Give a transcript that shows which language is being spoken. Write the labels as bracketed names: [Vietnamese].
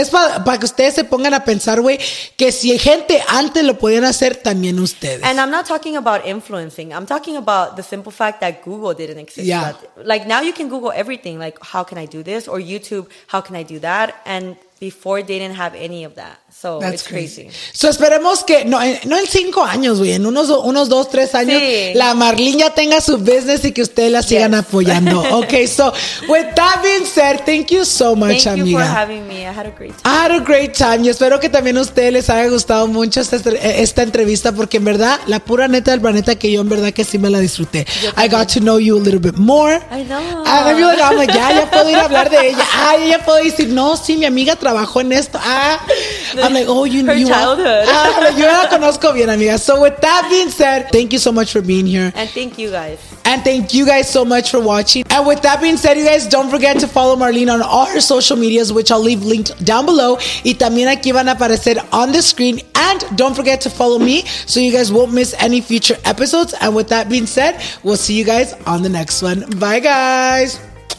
[Spanish] Es para que ustedes se pongan a pensar, güey, que si gente antes lo podían hacer, también ustedes. [English] And I'm not talking about influencing. I'm talking about the simple fact that Google didn't exist. Yeah. But, like, now you can Google everything. Like, how can I do this? Or YouTube, how can I do that? And before, they didn't have any of that. So that's it's crazy. [Spanish] So esperemos que, no en 5 años, güey, en unos 2-3 años, sí. La Marlin ya tenga su business y que ustedes la sigan, yes, apoyando. [English] Okay, so with that being said, thank you so much, thank Thank you for having me. I had a great time. I had a great time. [Spanish] Y espero que también a ustedes les haya gustado mucho esta entrevista, porque en verdad, la pura neta del planeta, que yo en verdad que sí me la disfruté. Yo [English] I got to know you a little bit more. I know. And I'm like, [Spanish] ya puedo ir a hablar de ella. Ay, ya puedo decir, no, sí, mi amiga trabajó en esto. [English] I'm like, oh, you know. Her childhood. [Spanish] Yo la conozco bien, amiga. [English] So with that being said, thank you so much for being here. And thank you guys. And thank you guys so much for watching. And with that being said, you guys, don't forget to follow Marlene on all her social medias, which I'll leave linked down below. [Spanish] Y también aquí van a aparecer [English] on the screen. And don't forget to follow me so you guys won't miss any future episodes. And with that being said, we'll see you guys on the next one. Bye, guys.